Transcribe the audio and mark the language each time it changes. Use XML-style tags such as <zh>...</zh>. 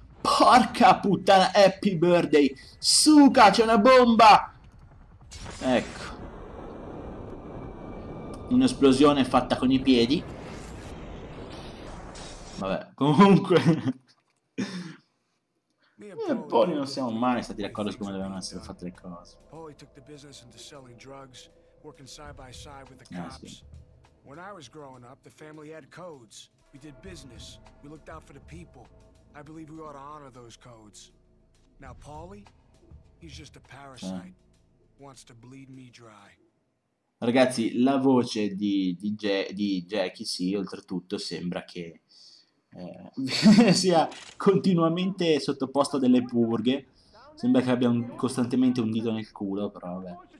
<it>Porca puttana,</it> <en>happy birthday!</en> <it>Suka, c'è una bomba! Ecco. Un'esplosione fatta con i piedi. Vabbè, comunque. E poi non siamo mai stati d'accordo su come dovevano essere fatte le cose.</it> <en>Polly took the business into selling drugs, working side by side with the cops. When I was growing up, the family had codes. We did business. We looked out for the people. I believe we ought to honor those codes. Now, Paulie, he's just a parasite. Wants to bleed me dry.</en> <it>Ragazzi, la voce di Jackie, sì, oltretutto sembra che sia continuamente sottoposta a delle purghe. Sembra che abbia costantemente un dito nel culo, però vabbè.</it>